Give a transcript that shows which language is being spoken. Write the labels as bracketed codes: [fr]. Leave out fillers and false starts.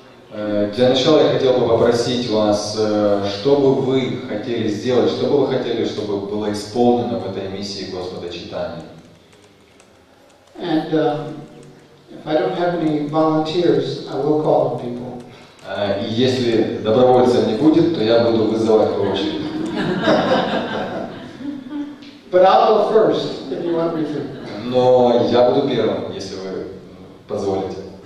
[ru] Для начала я хотел бы попросить вас, что бы вы хотели сделать, что бы вы хотели, чтобы было исполнено в этой миссии Господа Чайтаньи? [en] And if I don't have any volunteers, I will call on people. [ru] И если добровольцев не будет, то я буду вызывать в очередь. [en] But I'll go first, if you want me to. [ru] Но я буду первым, если вы позволите.